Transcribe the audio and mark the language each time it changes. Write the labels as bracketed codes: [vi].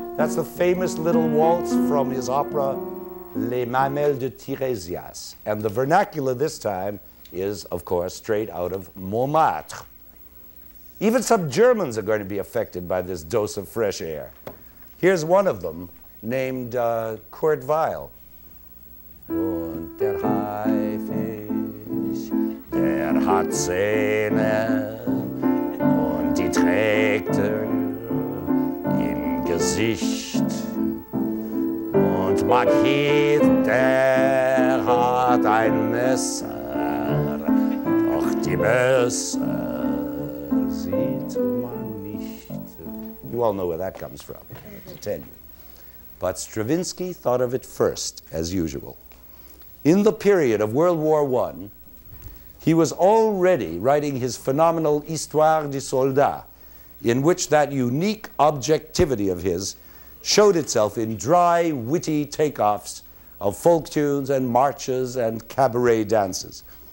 [en] That's the famous little waltz from his opera, Les Mamelles de Tiresias. And the vernacular this time is, of course, straight out of Montmartre. Even some Germans are going to be affected by this dose of fresh air. Here's one of them, named Kurt Weill. [de] Und der Haifisch, der hat Zähne, und die trägt er im Gesicht. Mark Heath, der hat ein Messer, doch die Messer sieht man nicht. [en] You all know where that comes from, to tell you. But Stravinsky thought of it first, as usual. In the period of World War I, he was already writing his phenomenal Histoire du Soldat, in which that unique objectivity of his showed itself in dry, witty takeoffs of folk tunes and marches and cabaret dances.